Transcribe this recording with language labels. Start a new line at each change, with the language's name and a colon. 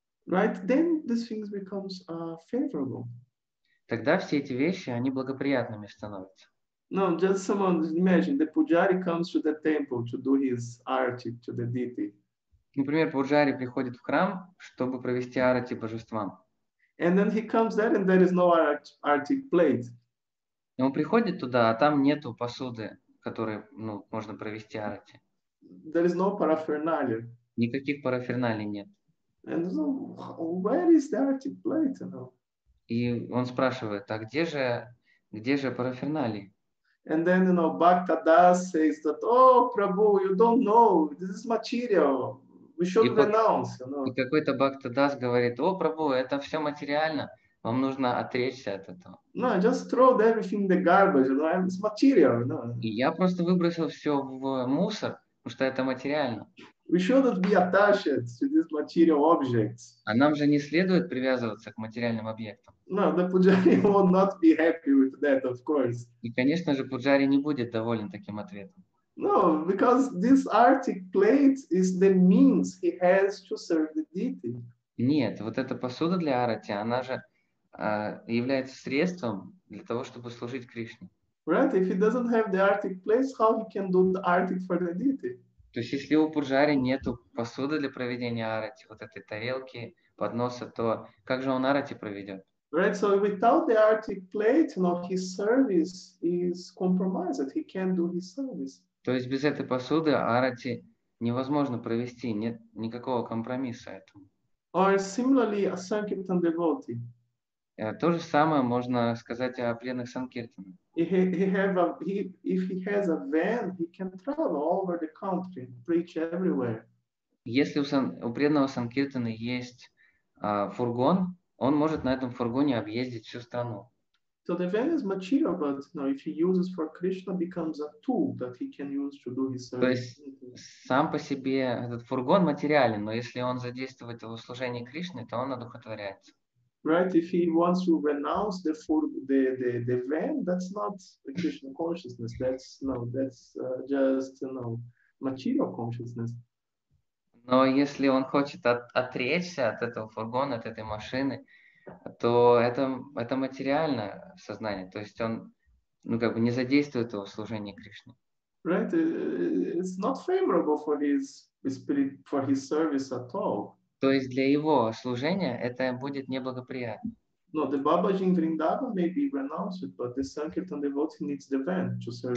English: Right, then these things become favorable.
Russian: Тогда все эти вещи, они благоприятными становятся.
English: No, just someone, imagine, the pujari comes to the temple to do his arati to the deity.
Russian: Например, пуджари приходит в храм, чтобы провести арати божествам.
English: And then he comes there and there is no arati plate.
Russian: И он приходит туда, а там нету посуды, которой, ну, можно провести арати.
English: There is no paraphernalia.
Russian: Никаких параферналий нет.
English: And so, where is the arati plate, you know?
Russian: И он спрашивает, а где же параферналии?
English: And then, you know, Bhakta Das says that, oh, Prabhu, you don't know, this is material, we should renounce, you know.
Russian: И какой-то Бхакта Дас говорит, о, Прабху, это все материально, вам нужно отречься от этого.
English: No, just throw everything in the garbage, you know, it's material, you know.
Russian: И я просто выбросил все в мусор, потому что это материально.
English: We shouldn't be attached to these material objects.
Russian: А нам же не следует привязываться к материальным объектам.
English: No, the pujari will not be happy with that, of course.
Russian: И, конечно же, пуджари не будет доволен таким ответом.
English: No, because this arctic plate is the means he has to serve the deity.
Russian: Нет, вот эта посуда для арати, она же является средством для того, чтобы служить Кришне.
English: Right? If he doesn't have the arctic place, how he can do the arctic for the deity?
Russian: То есть, если у пуджари нету посуды для проведения арати, вот этой тарелки, подноса, то как же он арати проведет?
English: Right, so without the arctic plate, no, his service is compromised. He can't do his service.
Russian: То есть без этой посуды арати невозможно провести, нет никакого компромисса этому.
English: Or similarly, a sankirtan devotee.
Russian: То же самое можно сказать о пленных санкиртан.
English: If he has a van, he can travel all over the country, preach everywhere.
Russian: Если у преданного санкиртаны есть фургон, он может на этом фургоне объездить всю страну.
English: So the van is material, but now if he uses for Krishna, becomes a tool that he can use to do his service.
Russian: То есть сам по себе этот фургон материален, но если он задействует его в служении Кришне, то он одухотворяется.
English: Right, if he wants to renounce the van, that's not Krishna consciousness. That's just material consciousness.
Russian: Но если он хочет отречься от этого фургона, от этой машины, то это материальное сознание. То есть он, ну как бы, не задействует его в служении Кришне.
English: Right, it's not favorable for his spirit, for his service at all.
Russian: То есть для его служения это будет неблагоприятно.
English: No, the Babaji in Vrindavan may be renounced, but the Sankirtan devotee needs the van to serve.